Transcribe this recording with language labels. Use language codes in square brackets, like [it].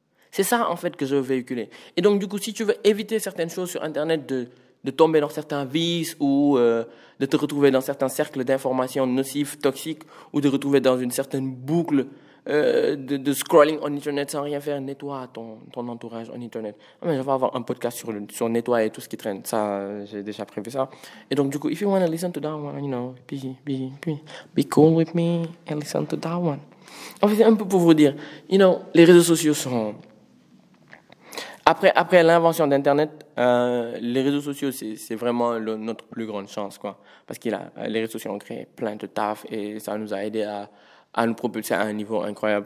[fr] C'est ça en fait que je veux véhiculer. Et donc du coup, si tu veux éviter certaines choses sur Internet, de tomber dans certains vices ou de te retrouver dans certains cercles d'informations nocifs, toxiques, ou de te retrouver dans une certaine boucle de scrolling [en] on Internet [fr] sans rien faire, nettoie ton entourage on Internet. Ah, mais je vais avoir un podcast sur nettoyer tout ce qui traîne. Ça, j'ai déjà prévu ça. Et donc du coup, [en] if you want to listen to that one, be cool with me and listen to that one. [fr] En fait, c'est un peu pour vous dire, les réseaux sociaux sont... Après l'invention d'Internet, les réseaux sociaux, c'est vraiment notre plus grande chance, quoi. Parce que les réseaux sociaux ont créé plein de taf et ça nous a aidé à nous propulser à un niveau incroyable.